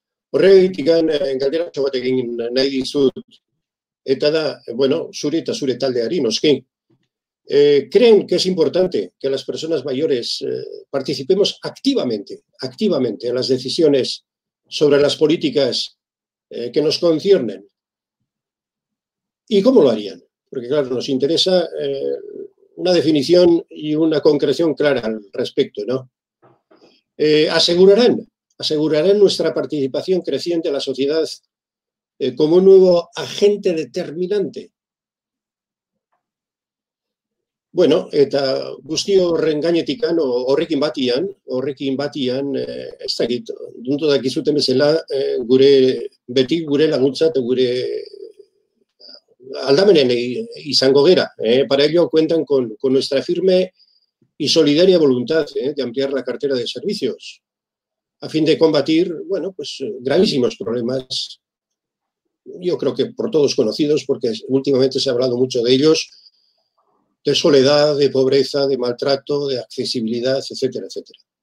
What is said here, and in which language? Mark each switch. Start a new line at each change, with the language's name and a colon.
Basque: Horregatik galdera bat egin nahi dizut, eta da, bueno, zure eta zure taldeari, noski.
Spanish: Creen que es importante que las personas mayores participemos activamente en las decisiones sobre las políticas que nos conciernen. ¿Y cómo lo harían? Porque, claro, nos interesa una definición y una concreción clara al respecto, ¿no? ¿Asegurarán nuestra participación creciente en la sociedad como un nuevo agente determinante?
Basque: Bueno, eta guzti horren gainetik, horrekin batian, ez dakit, duntu dakizuten bezala, gure, beti gure laguntza eta gure aldamenen izango gera.
Spanish: Para ello cuentan con nuestra firme y solidaria voluntad de ampliar la cartera de servicios a fin de combatir, bueno, pues gravísimos problemas, yo creo que por todos conocidos, porque últimamente se ha hablado mucho de ellos, de soledad, de pobreza, de maltrato, de accesibilidad, etcétera, etcétera.